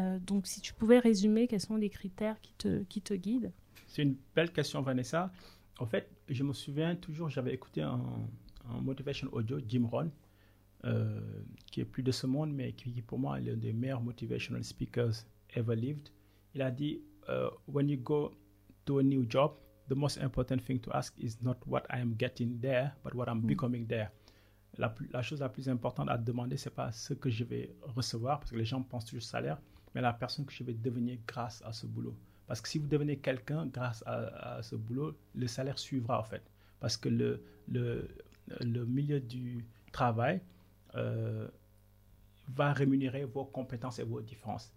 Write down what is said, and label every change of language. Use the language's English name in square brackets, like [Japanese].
[French] Donc si tu pouvais résumer, quels sont les critères qui te guident ? C'est une belle question, Vanessa. En fait, je me souviens toujours, j'avais écouté un motivation audio, Jim Rohn. Qui est plus de ce monde, mais qui pour moi est l'un des meilleurs [English] motivational speakers ever lived. [French] Il a dit, [English] when you go to a new job, the most important thing to ask is not what I am getting there, but what I'm becoming there. [French] La chose la plus importante à demander, c'est pas ce que je vais recevoir, parce que les gens pensent toujours salaire, mais la personne que je vais devenir grâce à ce boulot. Parce que si vous devenez quelqu'un grâce à ce boulot, le salaire suivra, en fait. Parce que le milieu du travail va rémunérer vos compétences et vos différences.